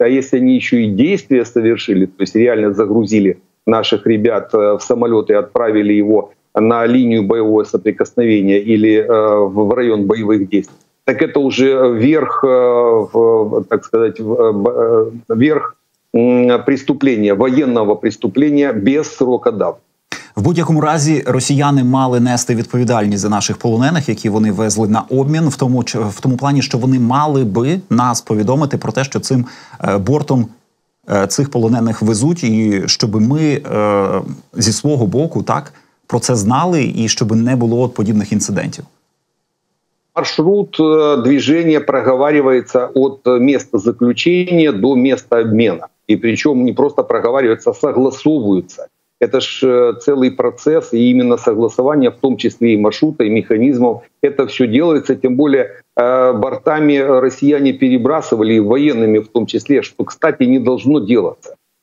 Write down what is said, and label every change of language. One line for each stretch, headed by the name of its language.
Russian: А если они еще и действия совершили, то есть реально загрузили наших ребят в самолет и отправили его на линию боевого соприкосновения или в район боевых действий, так это уже верх, так сказать, верх преступления, военного преступления без срока давности.
Ukrainian: В будь-якому разі росіяни мали нести відповідальність за наших полонених, які вони везли на обмін, в тому плані, що вони мали би нас повідомити про те, що цим бортом цих полонених везуть, і щоб ми зі свого боку так про це знали, і щоб не було от подібних інцидентів.
Russian: Маршрут движения проговаривается от места заключения до места обмена. И причем не просто проговаривается, а согласовывается. Это ж целый процесс, и именно согласование, в том числе и маршрута, и механизмов, это все делается, тем более бортами россияне перебрасывали, и военными в том числе, что, кстати, не должно делаться.